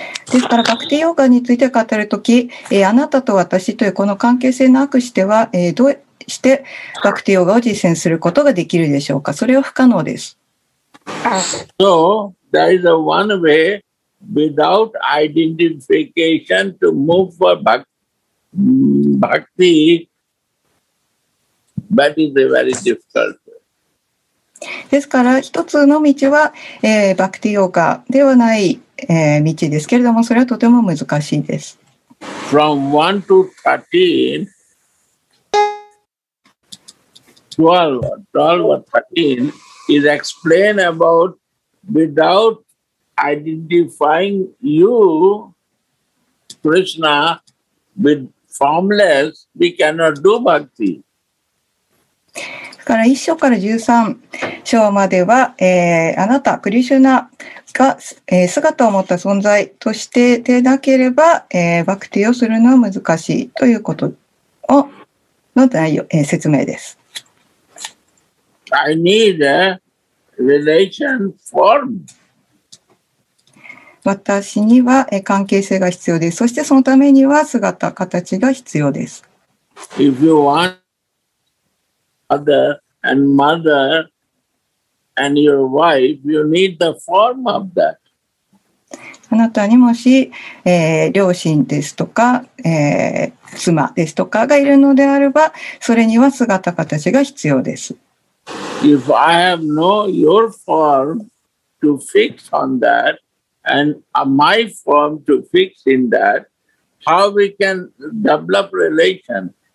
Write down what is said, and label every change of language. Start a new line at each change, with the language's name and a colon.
Japanese: ですから Bhakti Yoga について語るとき、あなたと私というこの関係性なくしては、どうしてBhakti Yogaを実践することができるでしょうか。それは不可能です。
English: So, there is a one way without identification to move for bhakti, but it's a very difficult way.
Japanese: ですから、一つの道は、バクティヨーガではない、道ですけれども、それはとても難しいです。
English: From 1 to 13, 12 or 13,is explained about without identifying you, Krishna, with formless, we cannot do bhakti.
Japanese: から1章から13章までは、あなた、クリシュナが、姿を持った存在としてでなければ、バクティをするのは難しいということをの内容、説明です。
English: I need aRelation form.
Japanese: 私には関係性が必要です。そしてそのためには姿、形が必要です。
English: If you want father and mother and your wife, you need the form of that.
Japanese: あなたにもし、両親ですとか、妻ですとかがいるのであれば、それには姿、形が必要です。
English: If I have no your form to fix on that and my form to fix in that, how we can develop relation?